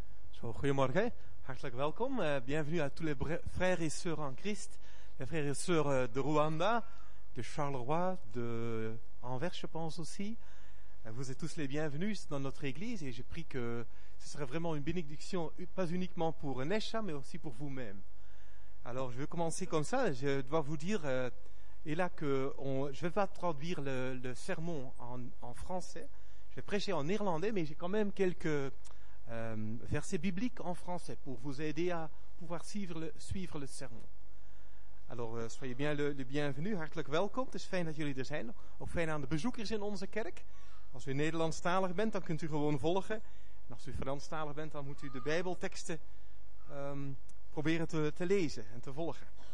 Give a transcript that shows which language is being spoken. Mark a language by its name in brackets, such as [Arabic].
[Dutch] So, goedemorgen, hartelijk welkom. [French] Bienvenue à tous les frères et sœurs en Christ, les frères et sœurs de Rwanda, de Charleroi, de Anvers, je pense aussi. Vous êtes tous les bienvenus dans notre église et j'ai pris que ce serait vraiment une bénédiction, pas uniquement pour Nesha, mais aussi pour vous-même. Alors, je vais commencer comme ça. Je dois vous dire, je ne vais pas traduire le sermon en français. Je vais prêcher en irlandais, mais j'ai quand même quelques versets bibliques en français pour vous aider à pouvoir suivre le sermon. Alors, soyez bien le bienvenu, [Dutch] hartelijk welkom. Het is fijn dat jullie er zijn. Ook fijn aan de bezoekers in onze kerk. Als u Nederlandstalig bent, dan kunt u gewoon volgen. En als u Franstalig bent, dan moet u de Bijbelteksten proberen te lezen en te volgen.